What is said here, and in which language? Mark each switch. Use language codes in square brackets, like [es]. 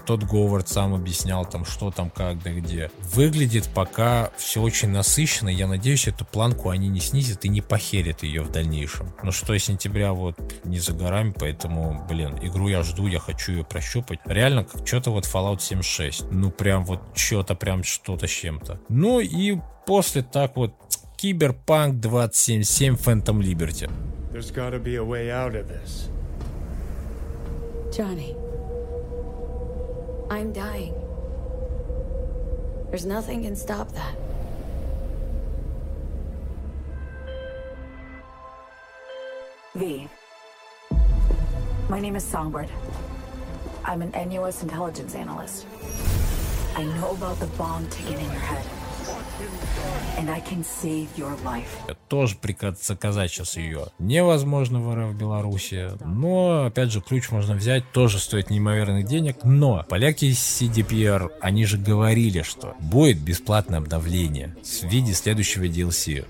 [ru] Тот Говард сам объяснял там, что там, как, да где. Выглядит пока все очень насыщенно, я надеюсь, эту планку они не снизят и не похерят ее в дальнейшем. Но 6 сентября вот не за горами, поэтому, блин, игру я жду, я хочу ее прощупать. Реально, как что-то вот Fallout 76. Ну, прям вот что-то, прям что-то с чем-то. Ну, и после так вот Cyberpunk 2077 Phantom Liberty. [en] There's gotta be a way out of this. Johnny. I'm dying. There's nothing can stop that. V. My name is Songbird. I'm an NUS intelligence analyst. I know about the bomb ticking in your head. And I can save your life. [ru] Я тоже приказ заказать сейчас ее. Невозможно в РФ в Беларуси. Но, опять же, ключ можно взять. Тоже стоит неимоверных денег. Но поляки из CDPR, они же говорили, что будет бесплатное обновление в виде следующего DLC.